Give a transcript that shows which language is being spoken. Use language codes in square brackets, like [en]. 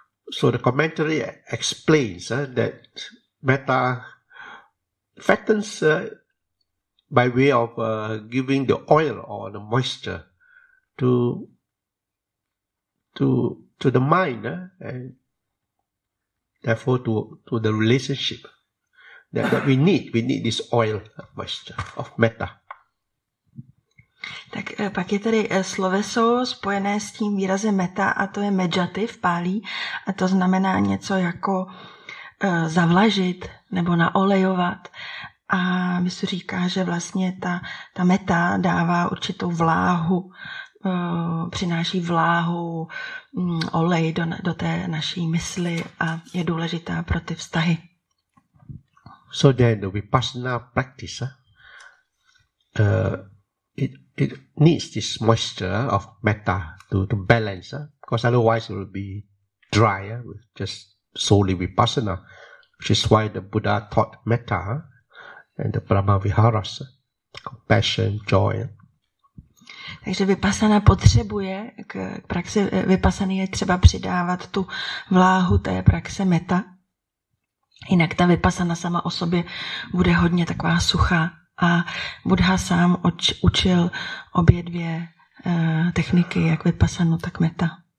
[en] So the commentary explains that metta fattens by way of giving the oil or the moisture to the mind, and therefore to the relationship that we need this oil of moisture of metta. [cs] Tak pak je tady sloveso spojené s tím výrazem metta, a to je mejati v pálí, a to znamená něco jako zavlažit nebo naolejovat. A mysl říká, že vlastně ta metta dává určitou vláhu, přináší vláhu, olej do té naší mysli a je důležitá pro ty vztahy. [en] So then the vipassana practice, it needs this moisture of metta to balance, because otherwise it will be dry, just solely vipassana, which is why the Buddha taught metta and the Brahma Viharas, compassion, joy. [cs] Takže vipassana potřebuje, k praxi vipassany je třeba přidávat tu vláhu té praxe metta, jinak ta vipassana sama o sobě bude hodně taková suchá. A Buddha sám učil obě dvě techniky, jak vipassanu, tak metta.